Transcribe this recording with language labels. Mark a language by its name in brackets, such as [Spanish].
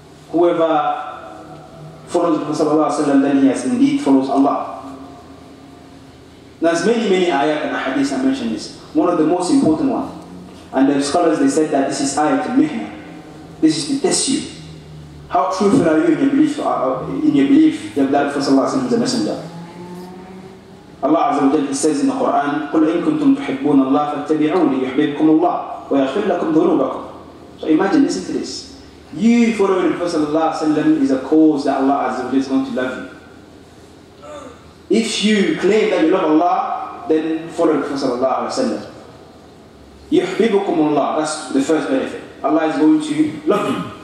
[English] Whoever follows the Prophet, then he has indeed follows Allah. There's many ayat and hadith I mentioned this. One of the most important ones. And the scholars, they said that this is ayat al-mihna. This is to test you. How truthful are you in your belief that the Prophet is a messenger? Allah Azza wa Jalla says in the Quran, [Arabic] قُلْ إِن كُنْتُمْ تُحِبُّونَ اللَّهَ فَاتَّبِعُونِ يُحْبِبْكُمُ اللَّهِ وَيَغْفِرْ لَكُمْ ذُنُوبَكُمْ. [English] So imagine, listen to this. You following the Prophet is a cause that Allah Azza wa Jalla is going to love you. If you claim that you love Allah, then follow the Prophet. [Arabic] يُحْبِبُكُمُ اللَّهُ. [English] That's the first benefit. Allah is going to love you.